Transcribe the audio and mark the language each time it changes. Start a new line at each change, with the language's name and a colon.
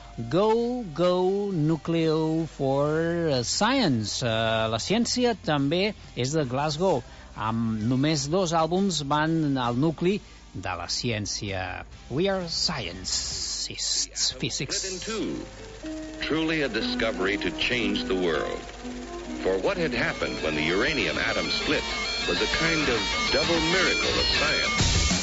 English: Go, go, Nucleo for Science.
Catalan: La ciència també és de Glasgow. Amb només dos àlbums van al nucli de la ciència.
English: We are scientists, physics. Truly a discovery to change the world. For what had happened when the uranium atom split was a kind of double miracle of science.